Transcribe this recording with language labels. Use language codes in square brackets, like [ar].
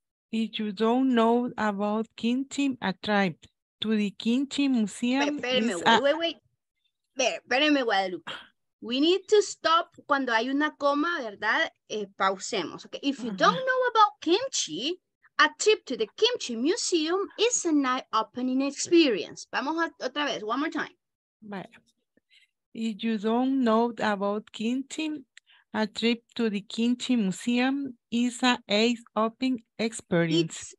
[en] If you don't know about kimchi, a trip to the Kimchi Museum. [es] Espérenme, Guadalupe. [en] We need to stop [es] cuando hay una coma, ¿verdad? Pausemos. Okay. [en] If you don't know about kimchi, a trip to the Kimchi Museum is an eye-opening experience. [es] Vamos otra vez, [en] one more time. If you don't know about kimchi, a trip to the Kimchi Museum is an eye-opening experience.